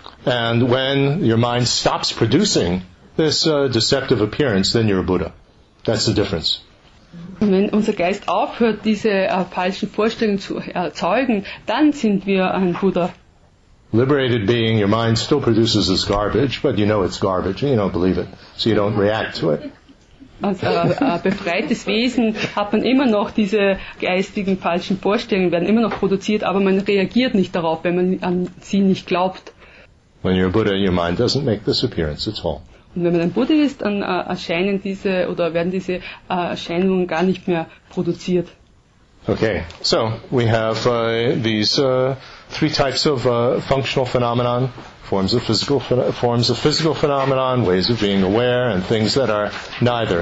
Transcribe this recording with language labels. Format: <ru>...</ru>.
<en>And when your mind stops producing this deceptive appearance, then you're a Buddha. That's the difference.</en> <de>Wenn unser Geist aufhört, diese falschen Vorstellungen zu erzeugen, dann sind wir ein Buddha.</de> <en>Liberated being, your mind still produces this garbage, but you know it's garbage and you don't believe it, so you don't react to it.</en> <de>Als befreites Wesen hat man immer noch diese geistigen falschen Vorstellungen, werden immer noch produziert, aber man reagiert nicht darauf, wenn man an sie nicht glaubt.</de> <en>When you're a Buddha, your mind doesn't make this appearance at all.</en> <de>Und wenn man ein Buddha ist, dann erscheinen diese oder werden diese Erscheinungen gar nicht mehr produziert.</de> <en>Okay, so we have these three types of functional phenomenon, forms of physical phenomenon, ways of being aware, and things that are neither.</en>